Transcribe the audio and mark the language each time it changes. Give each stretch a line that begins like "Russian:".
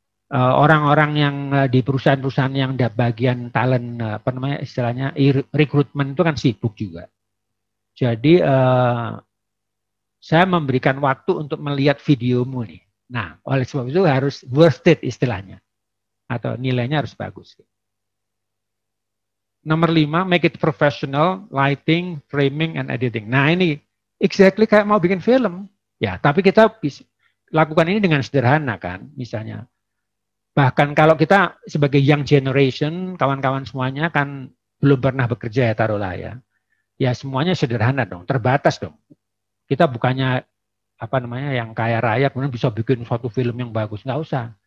Indonesian: Orang-orang yang di perusahaan-perusahaan yang ada bagian talent apa namanya istilahnya recruitment itu kan sibuk juga. Jadi saya memberikan waktu untuk melihat videomu nih. Nah, oleh sebab itu harus worth it istilahnya. Atau nilainya harus bagus. Nomor 5,
English: make it professional, lighting, framing, and editing.
Indonesian: Nah, ini exactly kayak mau bikin film. Ya, tapi kita lakukan ini dengan sederhana kan, misalnya. Bahkan kalau kita sebagai young generation, kawan-kawan semuanya kan belum pernah bekerja ya, taruhlah ya. Ya, semuanya sederhana dong, terbatas dong. Kita bukannya apa namanya yang kaya raya kemudian bisa bikin suatu film yang bagus, enggak usah.